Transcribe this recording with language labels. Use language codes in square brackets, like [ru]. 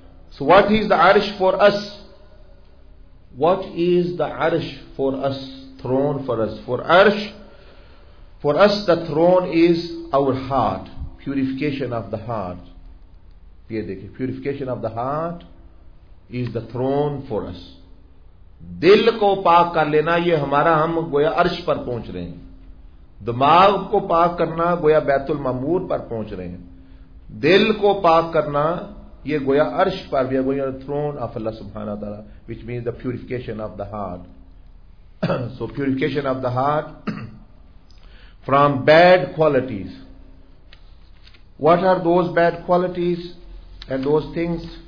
[en] So what is the Arsh for us? What is the Arsh for us? Throne for us. For Arsh, for us, the throne is our heart, purification of the heart. Purification of the heart is the throne for us. [ur] دل کو پاک کر لینا, یہ ہمارا, ہم گویا عرش پر پہنچ رہے ہیں. دماغ کو پاک کرنا, گویا بیت المامور پر پہنچ رہے ہیں. دل کو پاک کرنا, یہ گویا عرش پر, [en] we are going on the throne of Allah subhanahu wa ta'ala, which means the purification of the heart. So purification of the heart from bad qualities. What are those bad qualities and those things?